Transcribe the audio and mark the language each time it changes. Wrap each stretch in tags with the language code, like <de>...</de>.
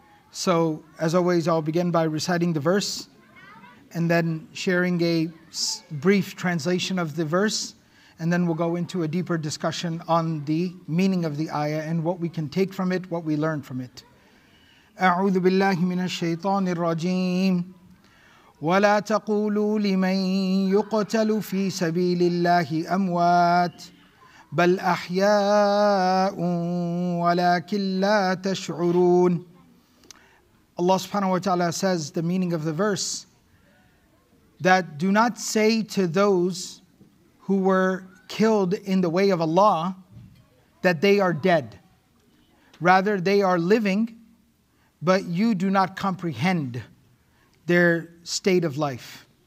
<en>So, as always, I'll begin by reciting the verse, and then sharing a brief translation of the verse, and then we'll go into a deeper discussion on the meaning of the ayah and what we can take from it, what we learn from it.</en> <ar>أعوذ بالله من الشيطان الرجيم ولا تقولوا لمن يقتل في سبيل الله أموات بل أحياء ولكن لا تشعرون.</ar> <en>Allah subhanahu wa ta'ala says the meaning of the verse that do not say to those who were killed in the way of Allah that they are dead. Rather, they are living, but you do not comprehend their state of life.</en>